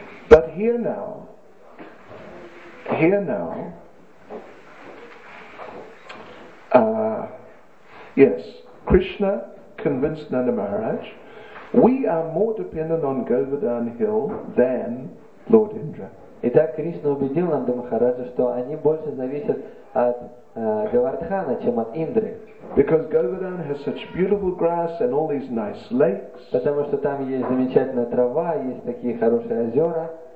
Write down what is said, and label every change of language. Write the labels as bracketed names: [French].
[English] But here now, yes, Krishna convinced Nanda Maharaj. We are more dependent on Govardhan Hill than Lord Indra. [Russian] Итак, Кришна убедил Нанда Махараджа, что они больше зависят от Говардхана, чем от Индры. [English] Because Govardhan has such beautiful grass and all these nice lakes. [Russian] Потому что там есть замечательная трава, есть такие хорошие озера.